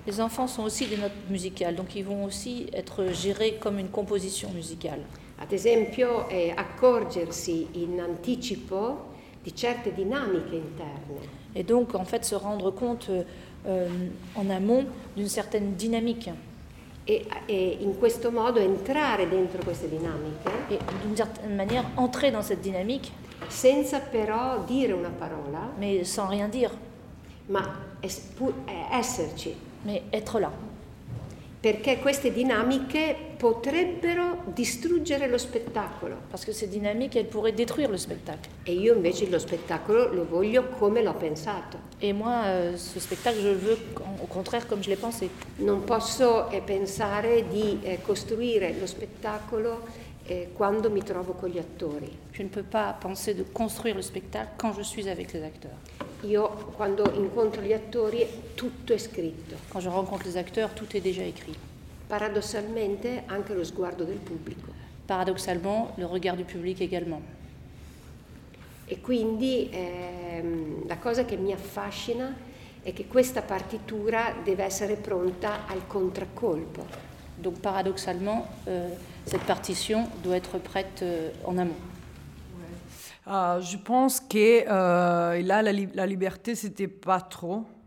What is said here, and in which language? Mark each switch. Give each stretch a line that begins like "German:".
French: Les enfants sont aussi des notes musicales, donc ils vont aussi être gérés comme une composition musicale.
Italian: Ad esempio, accorgersi in anticipo di certe dinamiche interne.
French: Et donc, en fait, se rendre compte en amont d'une certaine dynamique.
Italian: E in questo modo entrare dentro queste dinamiche.
French: Et d'une certaine manière entrer dans cette dynamique.
Italian: Senza però dire una parola.
French: Mais sans rien dire.
Italian: Ma pour esserci.
French: Mais être là.
Italian: Perché queste dinamiche potrebbero distruggere lo spettacolo.
French: Parce que ces dynamiques elles pourraient détruire le spectacle.
Italian: E io invece lo spettacolo lo voglio come l'ho pensato.
French: Et moi ce spectacle je le veux au contraire comme je l'ai pensé.
Italian: Non posso pensare di costruire lo spettacolo quando mi trovo con gli attori.
French: Je ne peux pas penser de construire le spectacle quand je suis avec les acteurs.
Italian: Io quando incontro gli attori tutto è scritto.
French: Quand je rencontre les acteurs tout est déjà écrit.
Italian: Paradossalmente anche lo sguardo del pubblico.
French: Paradossalement le regard du public également.
Italian: E quindi la cosa che mi affascina è che questa partitura deve essere pronta al contraccolpo.
French: Donc paradoxalement cette partition doit être prête en amont. Je pense que là, la liberté, c'était pas trop.